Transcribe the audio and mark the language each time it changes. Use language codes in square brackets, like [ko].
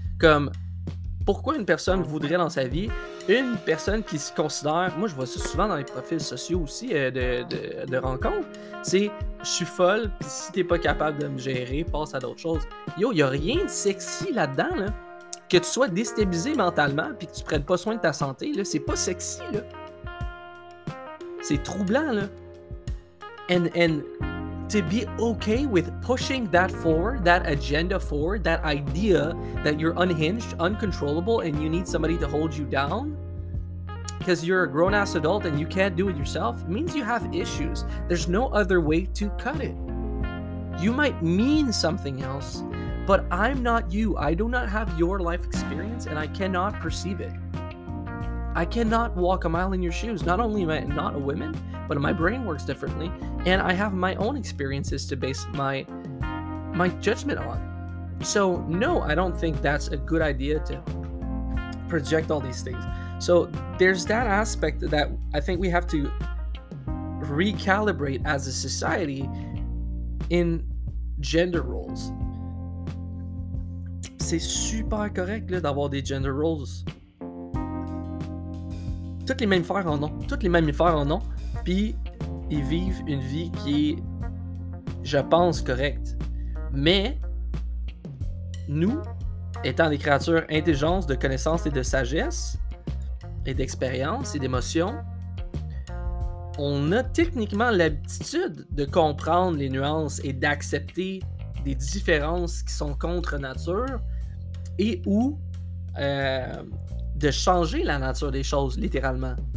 [fr] Comme, pourquoi une personne voudrait dans sa vie une personne qui se considère, moi je vois ça souvent dans les profils sociaux aussi de rencontres, c'est je suis folle, puis si t'es pas capable de me gérer, passe à d'autres choses. Yo, y a rien de sexy là-dedans, là. que tu sois déstabilisé mentalement puis que tu prennes pas soin de ta santé, là, c'est pas sexy, là. C'est troublant, là. [en] And to be okay with pushing that forward, that agenda forward, that idea that you're unhinged, uncontrollable, and you need somebody to hold you down because you're a grown-ass adult and you can't do it yourself, means you have issues. There's no other way to cut it. You might mean something else, but I'm not you. I do not have your life experience, and I cannot perceive it. I cannot walk a mile in your shoes. Not only am I not a woman, but my brain works differently, and I have my own experiences to base my judgment on. So, no, I don't think that's a good idea to project all these things. So there's that aspect that I think we have to recalibrate as a society in gender roles. [fr] C'est super correct là, d'avoir des gender roles. Toutes les mammifères en ont. Toutes les mammifères en ont. Puis, ils vivent une vie qui est, je pense, correcte. Mais, nous, étant des créatures intelligentes de connaissances et de sagesse, et d'expérience et d'émotions, on a techniquement l'habitude de comprendre les nuances et d'accepter des différences qui sont contre nature et ou de changer la nature des choses, littéralement.